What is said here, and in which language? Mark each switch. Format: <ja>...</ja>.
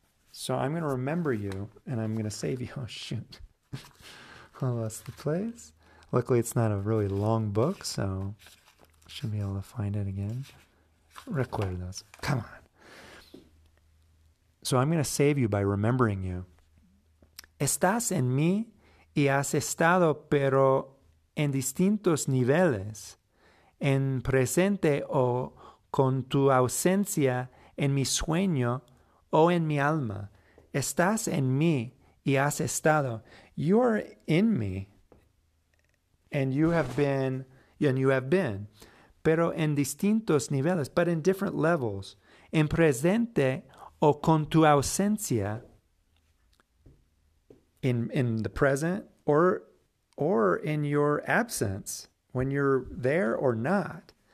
<en>So I'm gonna remember you and I'm gonna save you. Oh shoot. I lost the place. Luckily it's not a really long book, so should be able to find it again. Recuerdos. Come on. So I'm gonna save you by remembering you.</en> <es>Estás en mí y has estado, pero en distintos niveles, en presente o con tu ausencia, en mi sueño o en mi alma. Estás en mí y has estado.</es> <en>You are in me, and you have been, and you have been,</en> <es>pero en distintos niveles,</es> <en>but in different levels,</en> <es>en presente o con tu ausencia,</es> <en>in the present, or in your absence, when you're there or not.</en>